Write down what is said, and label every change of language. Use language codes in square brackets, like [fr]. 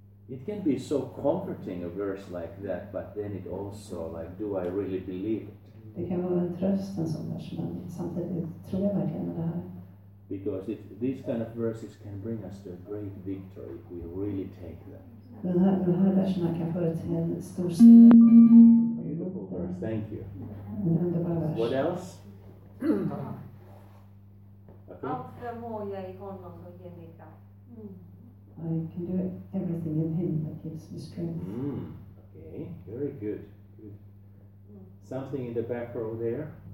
[en] It can be so comforting, a verse like that, but then it also, like, do I really believe it? [sv] Det kan vara en tröst, en sån vers, men samtidigt tror jag verkligen det här. [en] Because it, these kind of verses can bring us to a great victory if we really take them. [sv] Den här versen kan föra till en stor seger. [en] Thank you. What else? [sv] Allt förmår jag i honom som ger mig kraft. [en] I can do everything in him that gives me strength. Okay, very good. Something in the back row there?